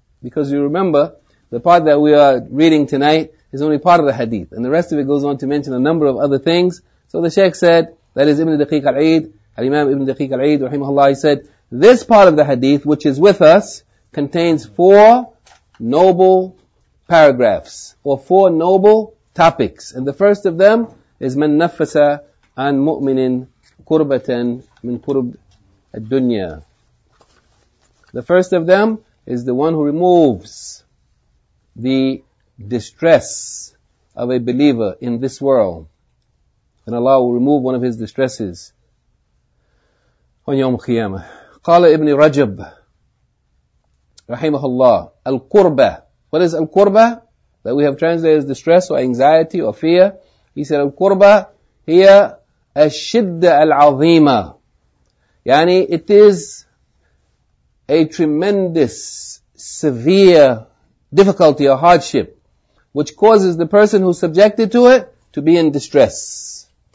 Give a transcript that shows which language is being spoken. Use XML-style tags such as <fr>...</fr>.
<en>Because you remember, the part that we are reading tonight is only part of the hadith, and the rest of it goes on to mention a number of other things. So the Shaykh said, that is Ibn Daqiq al-Eid, al-Imam Ibn Daqiq al-Eid, rahimahullah, he said, this part of the hadith, which is with us, contains four noble paragraphs, or four noble topics. And the first of them is</en> <ar>مَن نَفَّسَ عَن مُؤْمِنٍ قُرْبَةً مِن قُرْبِ الدُّنْيَا.</ar> <en>The first of them is the one who removes the distress of a believer in this world. And Allah will remove one of his distresses on يَوْمُ الْقِيَامَةِ.</en> <ar>قَالَ إِبْنِ رَجَبْ rahimahullah, al-qurba.</ar> <en>What is al-qurba? That we have translated as distress or anxiety or fear. He said al-qurba, here,</en> <ar>al-shidda al-azima.</ar> <en>Yani, it is a tremendous, severe difficulty or hardship, which causes the person who's subjected to it to be in distress.</en>